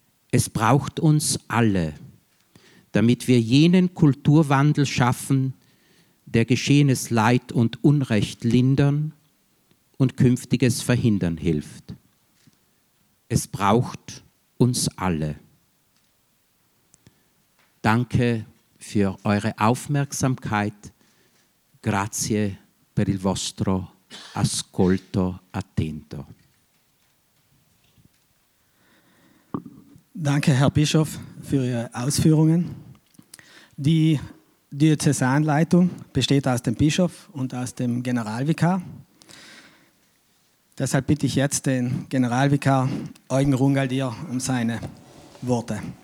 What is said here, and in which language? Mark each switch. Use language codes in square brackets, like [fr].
[de] Es braucht uns alle, damit wir jenen Kulturwandel schaffen, der geschehenes Leid und Unrecht lindern und künftiges Verhindern hilft. Es braucht uns alle. Danke für eure Aufmerksamkeit. [it] Grazie per il vostro ascolto attento. [de] Danke, Herr Bischof, für Ihre Ausführungen. Die Diözesanleitung besteht aus dem Bischof und aus dem Generalvikar. Deshalb bitte ich jetzt den Generalvikar Eugen Rungaldier um seine Worte.